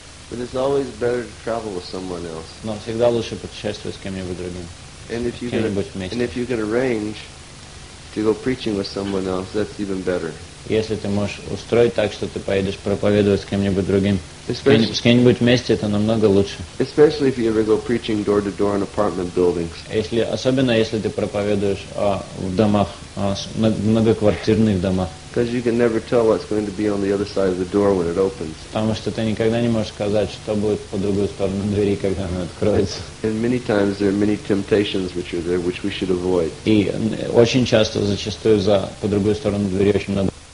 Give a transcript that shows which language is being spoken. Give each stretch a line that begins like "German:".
English: But it's always better to travel with someone else.
Russian: Но всегда лучше путешествовать с кем-нибудь другим.
English: And if you can, arrange to go preaching with someone else, that's even better.
Russian: Если ты можешь устроить так, что ты поедешь проповедовать с кем-нибудь другим, с кем-нибудь вместе, это намного лучше.
English: Especially if you ever go preaching door to door in apartment buildings.
Russian: Если особенно если ты проповедуешь в домах, многоквартирных домах.
English: Because you can never tell what's going to be on the other side of the door when it opens.
Russian: Потому что ты никогда не можешь сказать, что будет по другую сторону двери, когда она откроется.
English: And many times there are many temptations which are there, which we should avoid.
Russian: И очень часто, зачастую по другую сторону двери очень много.